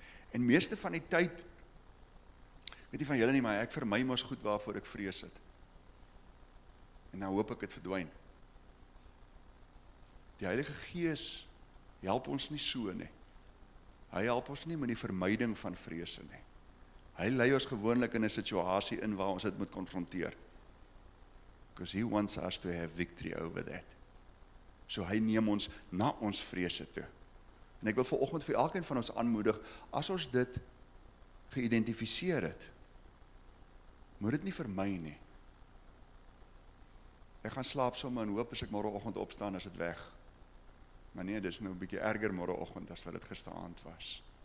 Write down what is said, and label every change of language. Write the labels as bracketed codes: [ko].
[af] En meeste van die tyd, weet nie van julle nie, maar ek vermy mos goed waarvoor ek vrees het. En nou hoop ek het verdwyn. Die Heilige Gees help ons nie so nie. Hy help ons nie met die vermyding van vrese nie. Hy lei ons gewoonlik in 'n situasie in waar ons dit moet konfronteer. [en] Because he wants us to have victory over that. [af] So hy neem ons na ons vrese toe. En ek wil vanoggend vir elkeen van ons aanmoedig, as ons dit geïdentifiseer het, moet dit nie vermy nie. Ek gaan slaap sommer en hoop as ek môreoggend opstaan is dit weg. Maar nee, dis nou 'n bietjie erger môreoggend as wat dit gisteraand was.